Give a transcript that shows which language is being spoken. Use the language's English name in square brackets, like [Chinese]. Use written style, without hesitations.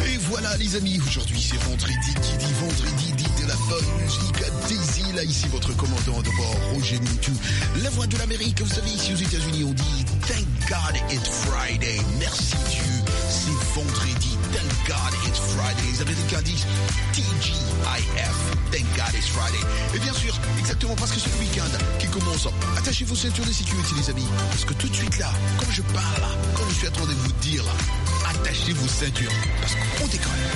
[French] Voilà les amis, aujourd'hui c'est vendredi, qui dit vendredi dit de la bonne musique à Daisy, là ici votre commandant de bord, Roger Moutou, la voix de l'Amérique. Vous savez, ici aux États-Unis on dit [English] Thank God it's Friday, [French] merci Dieu, c'est vendredi, Thank God it's Friday. Les Américains disent TGIF, [English] Thank God it's Friday. [French] Et bien sûr, exactement parce que c'est le week-end qui commence, attachez vos ceintures de sécurité les amis, parce que tout de suite là, quand je parle, quand je suis en train de vous dire, attachez vos ceintures, parce qu'on décolle.